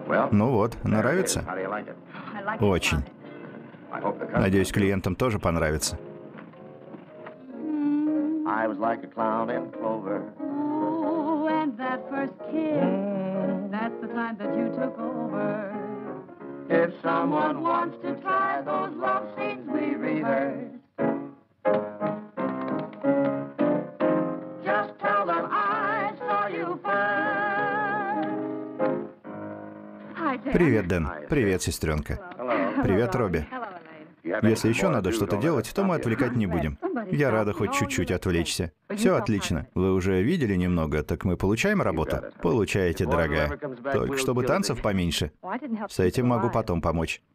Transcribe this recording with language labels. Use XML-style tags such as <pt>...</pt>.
<ru>Ну вот, нравится? Очень. Надеюсь, клиентам тоже понравится.</ru> <en>I was like a clown in clover. Oh, and that first kiss, that's the time that you took over. If someone wants to try those love scenes we rehearsed, just tell them I saw you first.</en> <ru>Привет, Дэн. Привет, сестренка. Привет, Робби. Если еще надо что-то делать, то мы отвлекать не будем. Я рада хоть чуть-чуть отвлечься. Все отлично. Вы уже видели немного, так мы получаем работу? Получаете, дорогая. Только чтобы танцев поменьше. С этим могу потом помочь.</ru>